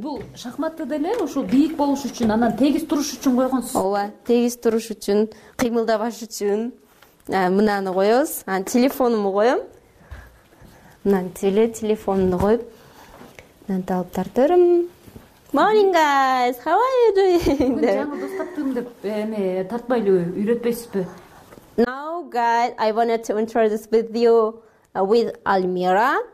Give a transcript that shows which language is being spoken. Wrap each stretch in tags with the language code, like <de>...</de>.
<ky>Бул шахматты деле ушул бийик болуш үчүн, анан тегиз туруш үчүн койгонсуз. Ооба, тегиз туруш үчүн, кыймылдабаш үчүн. Мынаны коебуз. Анан телефонумду коем. Мынан теле телефонумду коюп, мынан таап тартырым.</ky> <en>Morning guys, how are you doing?</en> <ky>Жаңы дос таптым деп эме тартпай эле үйрөтпөйсүзбү?</ky> <en>Now guys, I wanted to introduce with you with Almira.</en>